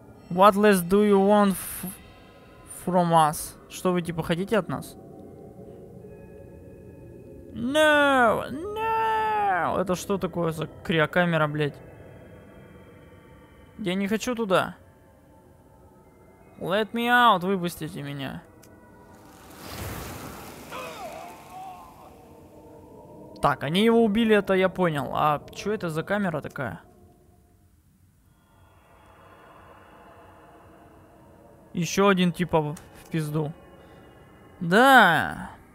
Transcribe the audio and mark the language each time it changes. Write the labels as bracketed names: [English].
[English] What less do you want from us? [Russian] Что вы типа хотите от нас? [English] No! No! [Russian] Это что такое за криокамера, блядь? Я не хочу туда. [English] Let me out, [Russian] выпустите меня. Так, они его убили, это я понял. А чё это за камера такая? Еще один типа в пизду. Да.